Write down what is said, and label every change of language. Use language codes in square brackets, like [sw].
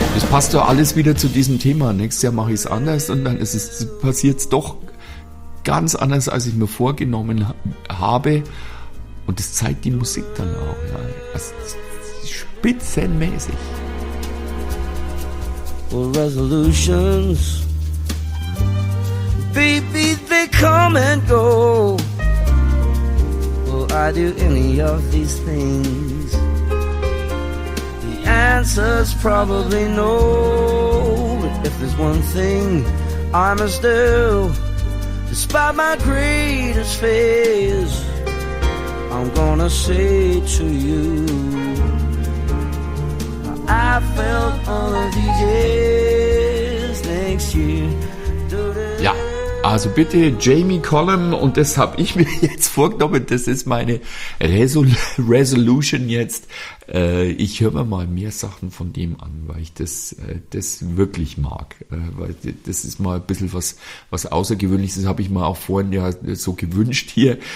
[de] Passt doch alles wieder zu diesem Thema. Nächstes Jahr mache ich es anders und dann passiert es doch ganz anders, als ich mir vorgenommen habe. Und das zeigt die Musik dann auch. Ja. Also, spitzenmäßig. [en] Well, resolutions, baby, they come and go. Will I do any of these things? Answer's probably no. If there's one thing I must do, despite my greatest fears, I'm gonna say to you, I felt all of these years next year. [de] Ja, also bitte Jamie Collum, und das habe ich mir jetzt vorgenommen, das ist meine Resolution jetzt. Ich höre mir mal mehr Sachen von dem an, weil ich das wirklich mag. Weil das ist mal ein bisschen was Außergewöhnliches, habe ich mir auch vorhin ja so gewünscht hier.